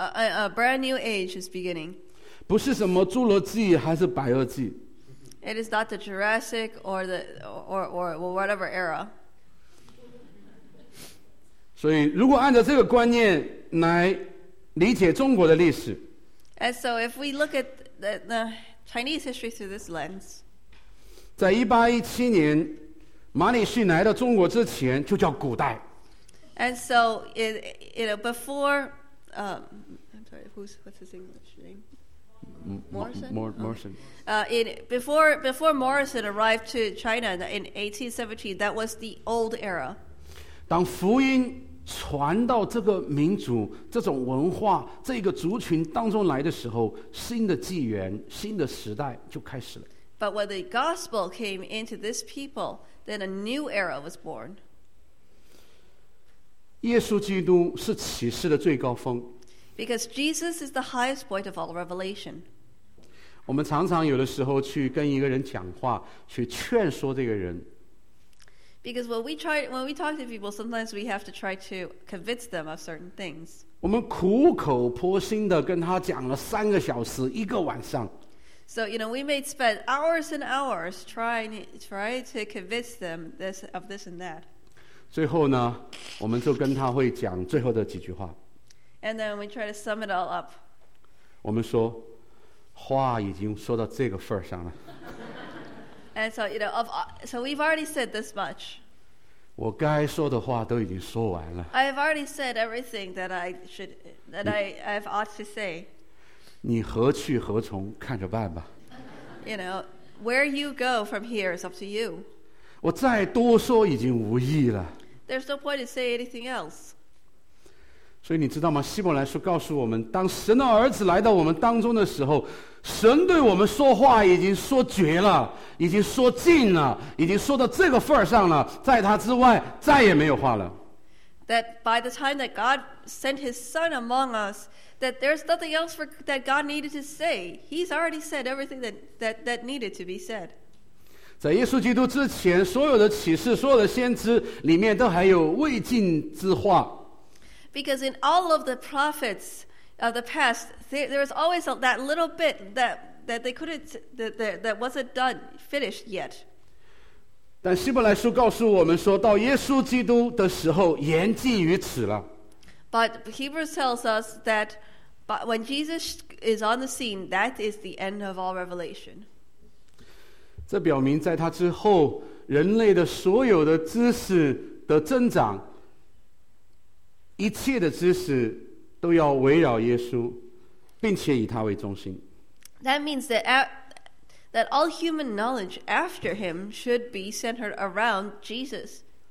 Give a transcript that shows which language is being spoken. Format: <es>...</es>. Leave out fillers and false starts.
<en>A brand new age is beginning</en> <zh>不是什么侏罗纪还是白垩纪</zh> <en>It is not the Jurassic or the or whatever era.</en> <zh>所以，如果按照这个观念来理解中国的历史</zh> <en>，And so if we look at the Chinese history through this lens,</en> <zh>在1817年，马里逊来到中国之前就叫古代。</zh> <en>And so it you know before I'm sorry, what's his English name? Morrison. Before Morrison arrived to China in 1817, that was the old era.</en> <zh>当福音传到这个民族、这种文化、这个族群当中来的时候，新的纪元、新的时代就开始了。</zh> <en>But when the gospel came into this people, then a new era was born.</en> <zh>耶稣基督是启示的最高峰。</zh> <en>Because Jesus is the highest point of all revelation.</en> <zh>我们常常有的时候去跟一个人讲话，去劝说这个人。</zh> <en>Because when we talk to people, sometimes we have to try to convince them of certain things.</en> <zh>我们苦口婆心的跟他讲了三个小时，一个晚上。</zh> <en>So you know, we may spend hours and hours trying to convince them this of this and that.</en> <zh>最后呢，我们就跟他会讲最后的几句话。</zh> <en>And then we try to sum it all up.</en> <zh>我们说，话已经说到这个份上了。</zh> <en>And so, you know, so we've already said this much.</en> <zh>我该说的话都已经说完了。</zh> <en>I have already said everything that I should, that I have ought to say.</en> <zh>你何去何从，看着办吧。</zh> <en>You know, where you go from here is up to you.</en> <zh>我再多说已经无益了。</zh> <en>There's no point in saying anything else.</en> <zh>所以你知道吗？希伯来书告诉我们，当神的儿子来到我们当中的时候，神对我们说话已经说绝了，已经说尽了，已经说到这个份儿上了，在他之外再也没有话了。</zh> <en>That by the time that God sent His Son among us, that there's nothing else for that God needed to say. He's already said everything that needed to be said.</en> <zh>在耶稣基督之前，所有的启示、所有的先知里面都还有未尽之话。</zh> <en>Because in all of the prophets. Of the past, there was always that little bit that they couldn't that wasn't done finished yet.</en> <zh>但希伯来书告诉我们说，到耶稣基督的时候，言尽于此了。</zh> <en>But Hebrews tells us that, but when Jesus is on the scene, that is the end of all revelation.</en> <zh>这表明在他之后，人类的所有的知识的增长，一切的知识。都要围绕耶稣，并且以他为中心。</zh> <en>That means that all human knowledge after him should be centered around Jesus.</en>